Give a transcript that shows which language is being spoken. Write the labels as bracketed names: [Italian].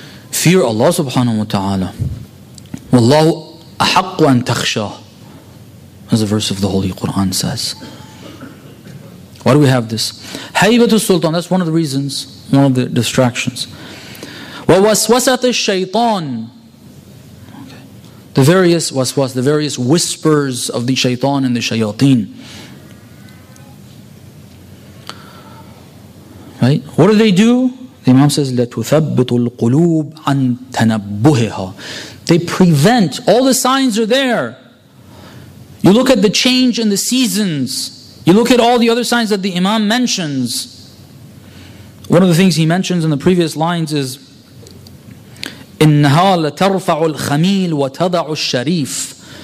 [English] Fear Allah subhanahu wa ta'ala. Wallahu [Arabic] أَحَقُّ أَن تَخْشَى [English] as the verse of the Holy Quran says. Why do we have this? [Arabic] هَيْبَةُ السُّلْطَانِ, [English] that's one of the reasons, one of the distractions. [Arabic] وَوَسْوَسَةَ الشَّيْطَانِ, okay. [English] The various waswas, the various whispers of the shaytan and the shayateen. Right? What do they do? The Imam says, [Arabic] لَتُثَبِّتُ الْقُلُوبُ عَن تَنَبُّهِهَا. [English] They prevent. All the signs are there. You look at the change in the seasons. You look at all the other signs that the Imam mentions. One of the things he mentions in the previous lines is, [Arabic] إِنَّهَا لَتَرْفَعُ الْخَمِيلُ وَتَضَعُ الشَّرِيفُ.